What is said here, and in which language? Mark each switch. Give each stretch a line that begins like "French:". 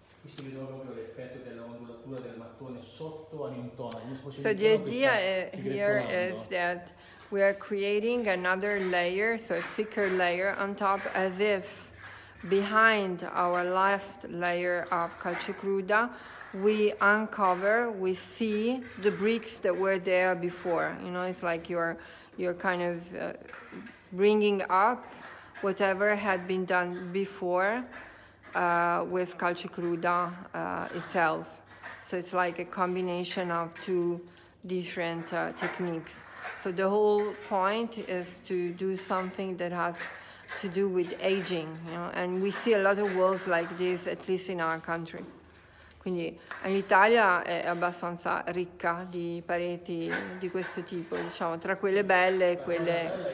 Italian: Qui si vedono proprio l'effetto della ondulatura del mattone sotto all'intonaco.
English: So the idea here is that we are creating another layer, so a thicker layer on top, as if behind our last layer of calce cruda we uncover, we see the bricks that were there before. You know, it's like you're kind of bringing up whatever had been done before with calce cruda itself. So it's like a combination of two different techniques. So the whole point is to do something that has to do with aging, you know? And we see a lot of walls like this, at least in our country.
Italian: Quindi l'Italia è abbastanza ricca di pareti di questo tipo, diciamo, tra quelle belle e quelle...